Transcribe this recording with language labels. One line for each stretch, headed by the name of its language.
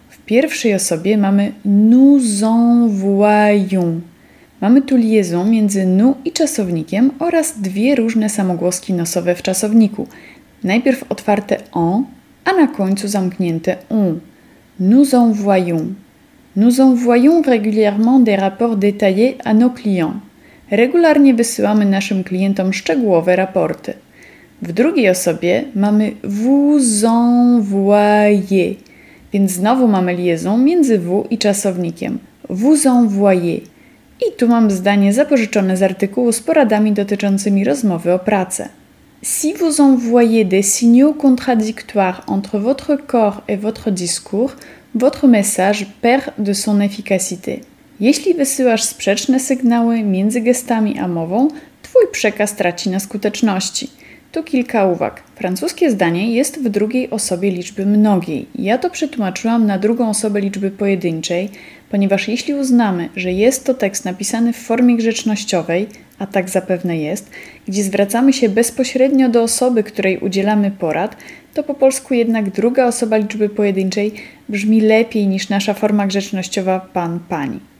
Polish: W pierwszej osobie mamy
French: nous envoyons.
Polish: Mamy tu liaison między nous i czasownikiem oraz dwie różne samogłoski nosowe w czasowniku. Najpierw otwarte on, a na końcu zamknięte on.
French: Nous envoyons. Nous envoyons régulièrement des rapports détaillés à nos clients.
Polish: Regularnie wysyłamy naszym klientom szczegółowe raporty. W drugiej osobie mamy
French: vous envoyez,
Polish: więc znowu mamy liaison między vous i czasownikiem.
French: Vous envoyez.
Polish: I tu mam zdanie zapożyczone z artykułu z poradami dotyczącymi rozmowy o pracę.
French: Si vous envoyez des signaux contradictoires entre votre corps et votre discours, votre message perd de son efficacité.
Polish: Jeśli wysyłasz sprzeczne sygnały między gestami a mową, twój przekaz traci na skuteczności. Tu kilka uwag. Francuskie zdanie jest w drugiej osobie liczby mnogiej. Ja to przetłumaczyłam na drugą osobę liczby pojedynczej, ponieważ jeśli uznamy, że jest to tekst napisany w formie grzecznościowej, a tak zapewne jest, gdzie zwracamy się bezpośrednio do osoby, której udzielamy porad, to po polsku jednak druga osoba liczby pojedynczej brzmi lepiej niż nasza forma grzecznościowa pan, pani.